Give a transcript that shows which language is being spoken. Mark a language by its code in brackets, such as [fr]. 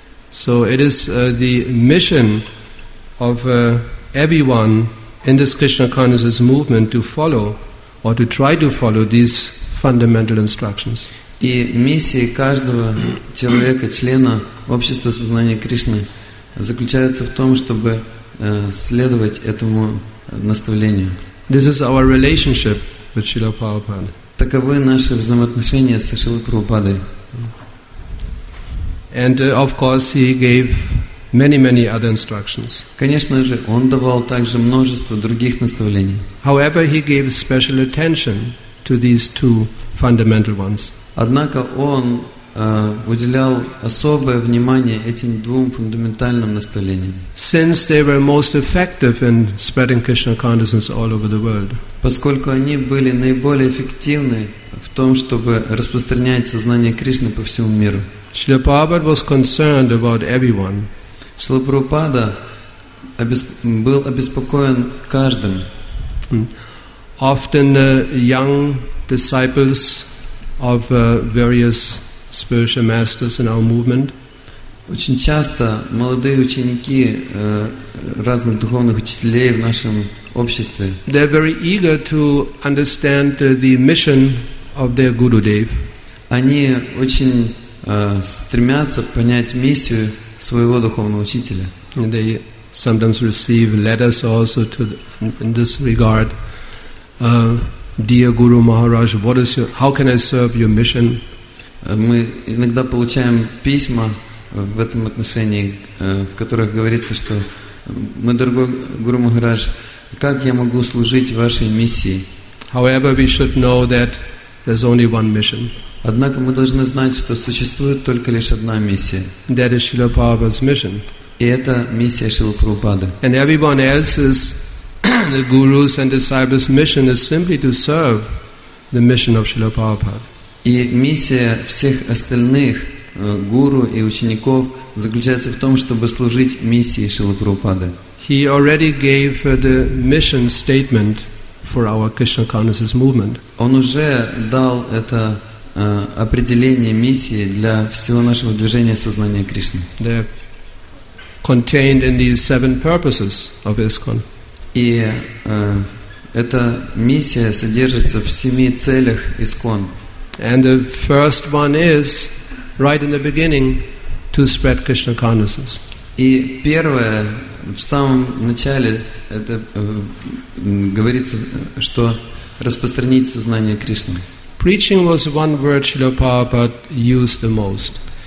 [en] So it is the mission of everyone in this Krishna consciousness movement to follow or to try to follow these fundamental instructions. [ru] И миссия каждого человека, члена общества сознания Кришны, заключается в том, чтобы следовать этому наставлению. [en] This is our relationship with Srila Prabhupada. [ru] Таковы наши взаимоотношения со Шрилой Прабхупадой. [en] And of course he gave many, many other instructions. [ru] Конечно же, он давал также множество других наставлений. [en] However, he gave special attention to these two fundamental ones. [ru] Однако он уделял особое внимание этим двум фундаментальным наставлениям. [en] Since they were most effective in spreading Krishna consciousness all over the world. [ru] Поскольку они были наиболее эффективны в том, чтобы распространять сознание Кришны по всему миру. [en] Srila Prabhupada was concerned about everyone. [ru] Шрила Прабхупада был обеспокоен каждым. [en] Often young disciples of various spiritual masters in our movement. [ru] Очень часто молодые ученики разных духовных учителей в нашем обществе. [en] They are very eager to understand the mission of their Gurudev. [ru] Они очень стремятся понять миссию своего духовного учителя. [en] And they sometimes receive letters also to in this regard. Dear Guru Maharaj, what is your? How can I serve your mission? [ru] Мы иногда получаем письма в этом отношении, в которых говорится, что Мой дорогой Гуру Махарадж, как я могу служить вашей миссии? [en] However, we should know that there's only one mission. [ru] Однако мы должны знать, что существует только лишь одна миссия. [en] That is Srila Prabhupada's mission. [ru] И это миссия Шрилы Прабхупады. [en] And everyone else's, the gurus and disciples' mission is simply to serve the mission of Srila Prabhupada. [ru] И миссия всех остальных гуру и учеников заключается в том, чтобы служить миссии Шрилы Прабхупады. [en] He already gave the mission statement for our Krishna consciousness movement. [ru] Он уже дал это определение миссии для всего нашего движения сознания Кришны. [en] They're contained in these seven purposes of ISKCON. [ru] И эта миссия содержится в семи целях ISKCON. [en] And the first one is, right in the beginning, to spread Krishna consciousness. [ru] И первое, в самом начале, это говорится, что распространить сознание Кришны. [en] Preaching was one word Srila Prabhupada used the most.